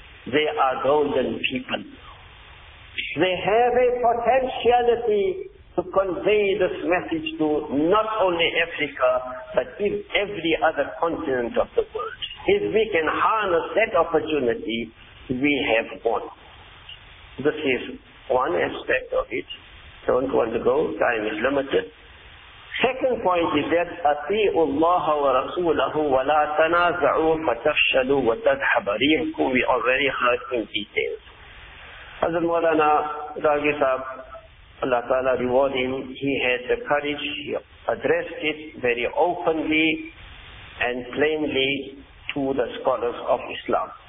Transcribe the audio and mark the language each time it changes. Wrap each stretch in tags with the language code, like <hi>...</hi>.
<en>They are golden people. They have a potentiality to convey this message to not only Africa, but in every other continent of the world. If we can harness that opportunity, we have won. This is one aspect of it. Don't want to go, time is limited. Second point is that</en> <ar>أَطِيعُوا اللَّهَ وَرَسُولَهُ وَلَا تَنَازَعُوا فَتَفْشَلُوا وَتَذْحَبَ رِيحُكُمْ.</ar> <en>We already heard in detail. Hazrat Mawlana Raghi Sahib, Allah Ta'ala reward him, he had the courage, he addressed it very openly and plainly to the scholars of Islam.</en>